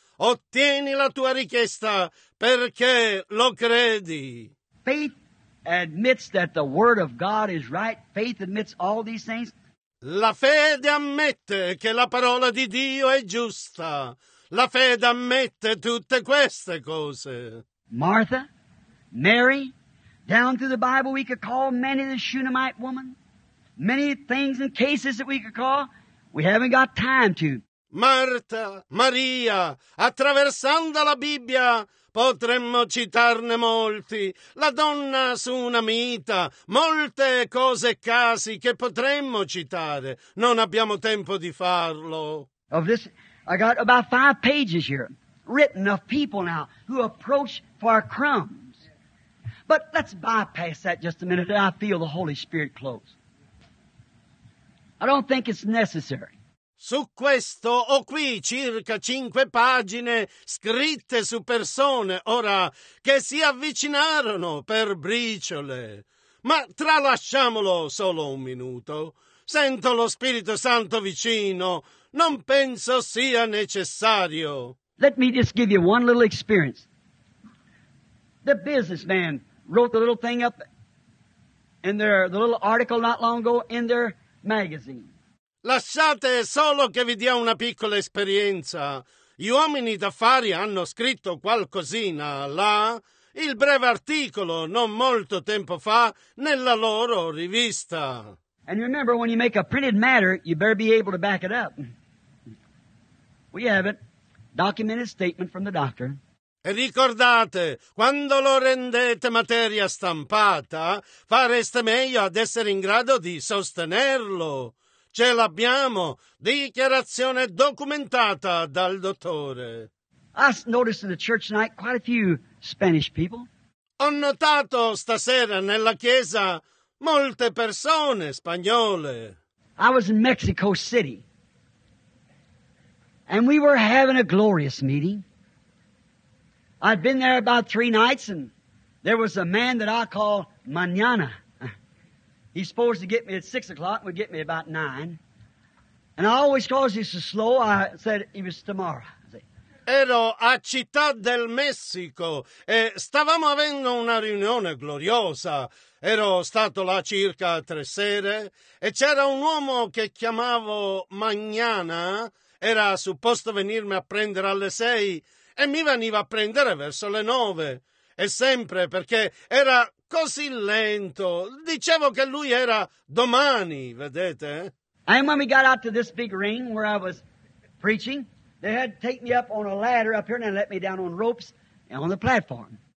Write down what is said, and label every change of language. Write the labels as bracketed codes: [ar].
[it] Ottieni la tua richiesta perché lo credi. [en] Faith admits that the word of God is right. Faith admits all these things. [it] La fede ammette che la parola di Dio è giusta. La fede ammette tutte queste cose. [en] Martha, Mary, down through the Bible we could call many the Shunammite woman. Many things and cases that we could call, we haven't got time to. [it] Marta, Maria, attraversando la Bibbia potremmo citarne molti. La donna sunamita, molte cose e casi che potremmo citare. Non abbiamo tempo di farlo. [en] I got about 5 pages here written of people now who approach for crumbs. But let's bypass that just a minute. I feel the Holy Spirit close. I don't think it's necessary. [it] Su questo ho qui circa 5 pagine scritte su persone ora che si avvicinarono per briciole. Ma tralasciamolo solo un minuto. Sento lo Spirito Santo vicino. Non penso sia necessario. [en] Let me just give you one little experience. The businessman wrote the little thing up in their the little article not long ago in their magazine. [it] Lasciate solo che vi dia una piccola esperienza. Gli uomini d'affari hanno scritto qualcosina là, il breve articolo non molto tempo fa nella loro rivista. [en] And remember, when you make a printed matter, you better be able to back it up. We have it. Documented statement from the doctor. [it] E ricordate, quando lo rendete materia stampata, fareste meglio ad essere in grado di sostenerlo. Ce l'abbiamo. Dichiarazione documentata dal dottore. [en] I noticed in the church tonight quite a few Spanish people. [it] Ho notato stasera nella chiesa molte persone spagnole. [en] I was in Mexico City. And we were having a glorious meeting. I'd been there about 3 nights, and there was a man that I call Manana. He's supposed to get me at 6 o'clock, and would get me about 9. And I always called him so slow, I said he was tomorrow. [it] Ero a Città del Messico e stavamo avendo una riunione gloriosa. Ero stato là circa 3 sere e c'era un uomo che chiamavo Magnana. Era supposto venirmi a prendere alle 6 e mi veniva a prendere verso le 9. E sempre perché era così lento. Dicevo che lui era domani, vedete? [en] And when we got out to this big ring where I was preaching, they had to take me up on a ladder up here and then let me down on ropes and on the platform.